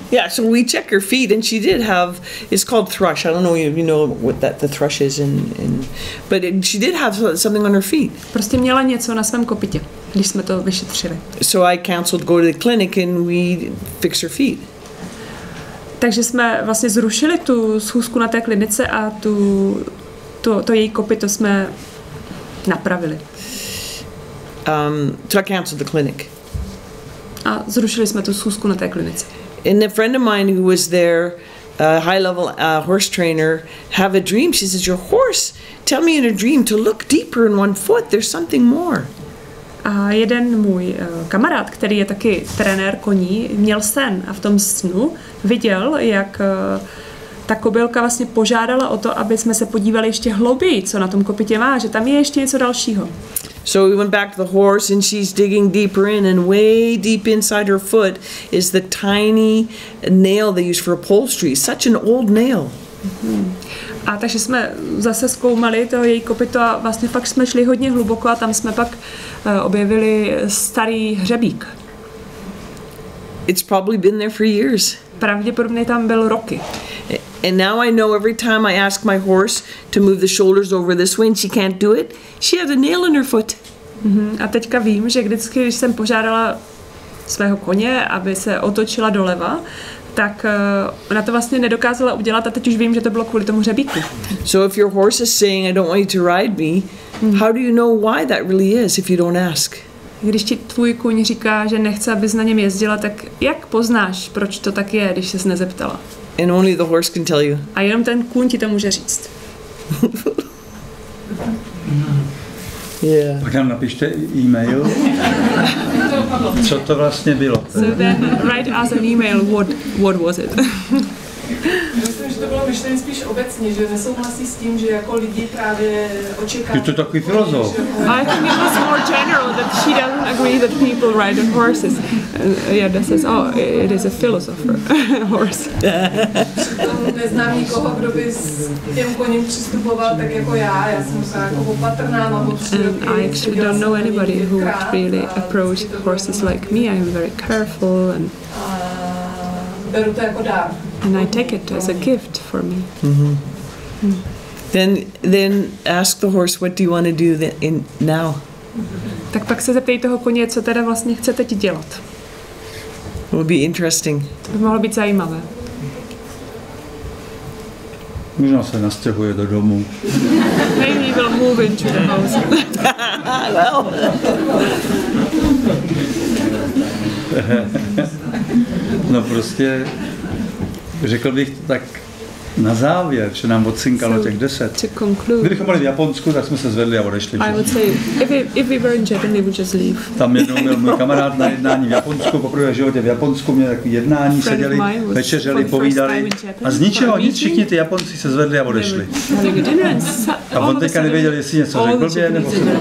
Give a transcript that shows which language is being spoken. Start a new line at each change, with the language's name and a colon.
English: Yeah, so we check her feet, and she did have, it's called thrush. I don't know if you know what that the thrush is, but she did have something on her feet.
Czech: Prostě měla něco na svém kopytě, když jsme to vyšetřili.
English: So I canceled go to the clinic, and we fix her feet.
Czech: Takže jsme vlastně zrušili tu schůzku na té klinice a to její kopyto jsme napravili.
English: So I canceled the clinic.
Czech: A zrušili jsme tu schůzku na té klinice.
English: And a friend of mine who was there, a high-level horse trainer, have a dream. She says, your horse, tell me in a dream to look deeper in one foot. There's something more.
Czech: A jeden můj kamarád, který je taky trenér koní, měl sen a v tom snu viděl, jak ta kobylka vlastně požádala o to, aby jsme se podívali ještě hlouběji, co na tom kopytě má, že tam je ještě něco dalšího.
English: So we went back to the horse and she's digging deeper in and way deep inside her foot is the tiny nail they use for upholstery. Such an old nail. Mm-hmm.
Czech: A takže jsme zase zkoumali to její kopyto a vlastně pak jsme šli hodně hluboko a tam jsme pak objevili starý hřebík.
English: It's probably been there for years.
Czech: Pravděpodobně tam byl roky.
English: And now I know every time I ask my horse to move the shoulders over this way and she can't do it, she has a nail in her foot. Mm-hmm.
Czech: A teďka vím, že vždycky, když jsem požádala svého koně, aby se otočila doleva, tak ona to vlastně nedokázala udělat a teď už vím, že to bylo kvůli tomu hřebíku.
English: So if your horse is saying, I don't want you to ride me, how do you know why that really is if you don't ask?
Czech: Když ti tvůj kůň říká, že nechce, abys na něm jezdila, tak jak poznáš, proč to tak je, když ses nezeptala?
English: And only the horse can tell you.
Czech: A jenom ten kůň ti to může říct.
English: Yeah.
Czech: Pak nám napište e-mail. Co to vlastně bylo?
English: So then write us an email. What was it?
Czech: Myslím, že to bylo myšlené spíš obecně, že nesouhlasí s tím, že jako lidi právě očekávají. Je to takový filozof.
English: I think it was more general that she doesn't agree that people ride on horses. Yeah, that says, oh, it is a philosopher, horse.
Czech: Že tam neznám nikoho, kdo by s těm koním přistupoval tak jako já. Já jsem jako opatrná, mám od tří roky.
English: I actually don't know anybody who would really approach horses like me. I'm very careful and...
Czech: Beru to jako dár.
English: And I take it as a gift for me. Mm-hmm. Then ask the horse, what do you want to do now?
Czech: tak pak se zeptej toho koně, co teda vlastně chce teď dělat.
English: Will be interesting.
Czech: To by mohlo být zajímavé. Možná se nastěhuje do domu.
English: Maybe we'll move into the house. Well.
Czech: No prostě, řekl bych to tak na závěr, že nám odsinkalo těch 10. Kdybychom byli v Japonsku, tak jsme se zvedli a odešli.
English: I would say, if we were in Japan, we would just leave.
Czech: Tam jednou měl můj kamarád na jednání v Japonsku, poprvé v životě v Japonsku, měl takový jednání, seděli, večeřeli, povídali. A z ničeho nic, všichni ty Japonci se zvedli a odešli. A on teďka nevěděl, jestli něco řekl by, nebo se